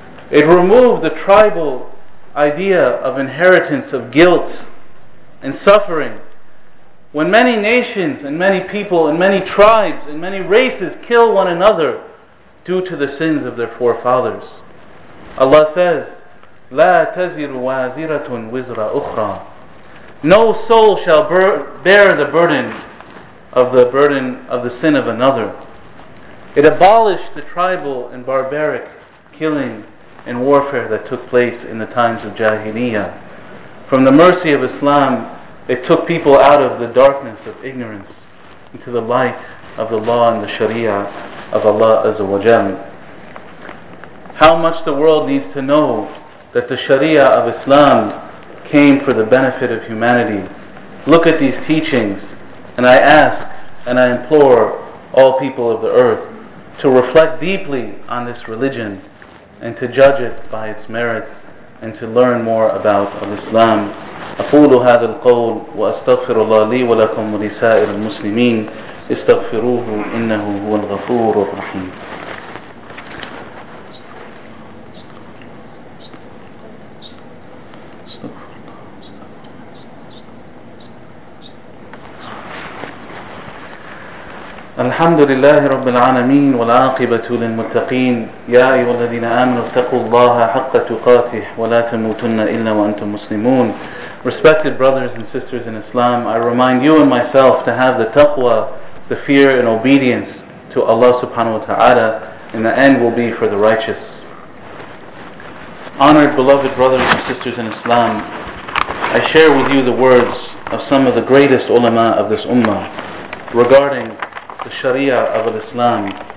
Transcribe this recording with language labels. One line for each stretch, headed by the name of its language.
English: It removed the tribal idea of inheritance, of guilt and suffering. When many nations and many people and many tribes and many races kill one another due to the sins of their forefathers. Allah says,
Arabic: لا تزر وازرة وزر أخرى.
English: No soul shall bear the burden of the sin of another. It abolished the tribal and barbaric killing and warfare that took place in the times of Jahiliyyah. From the mercy of Islam, it took people out of the darkness of ignorance into the light of the law and the Sharia of Allah Azza wa Jal. How much the world needs to know that the Sharia of Islam came for the benefit of humanity. Look at these teachings, and I ask and I implore all people of the earth to reflect deeply on this religion and to judge it by its merits and to learn more about Islam.
Arabic: أقول هذا القول وأستغفر الله لي ولكم ولسائر المسلمين استغفروه إنه هو الغفور الرحيم. الحمد لله رب العالمين والعاقبة للمتقين. يا أيها الذين آمنوا اتقوا الله حق تقاته ولا تموتن إلا وأنتم مسلمون.
English: Respected brothers and sisters in Islam, I remind you and myself to have the taqwa, the fear and obedience to Allah subhanahu wa ta'ala, and the end will be for the righteous. Honored, beloved brothers and sisters in Islam, I share with you the words of some of the greatest ulama of this ummah regarding the sharia of Islam.